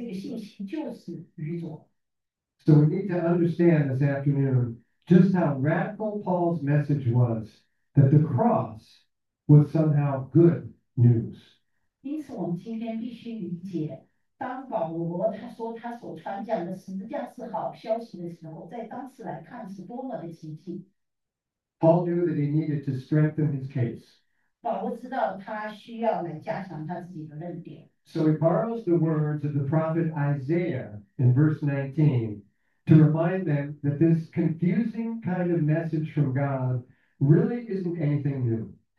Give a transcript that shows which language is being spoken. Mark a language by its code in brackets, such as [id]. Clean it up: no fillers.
[zh] 简而言之，这个十字架的这个信息就是愚拙。 [en] So we need to understand this afternoon just how radical Paul's message was, that the cross was somehow good news. [zh] 因此我们今天必须理解，当保罗他说他所传讲的十字架是好消息的时候，在当时来看是多么的奇迹。 [en] Paul knew that he needed to strengthen his case. [zh] 保罗知道他需要来加强他自己的论点。 [en] So he borrows the words of the prophet Isaiah in verse 19 to remind them that this confusing kind of message from God really isn't anything new.